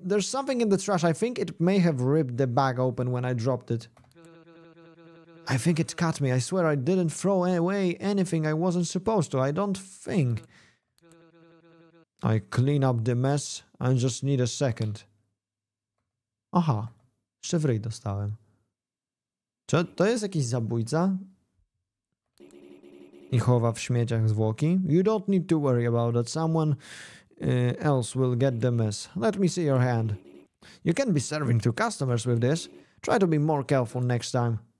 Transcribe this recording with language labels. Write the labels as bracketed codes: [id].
[en] There's something in the trash. I think it may have ripped the bag open when I dropped it. I think it cut me. I swear I didn't throw away anything I wasn't supposed to. I don't think. I clean up the mess and just need a second. [pl] Aha. Jeszcze w ryj dostałem. Czy to jest jakiś zabójca? I chowa w śmieciach zwłoki. [en] You don't need to worry about that. Someone else will get the mess. Let me see your hand. You can't be serving two customers with this. Try to be more careful next time.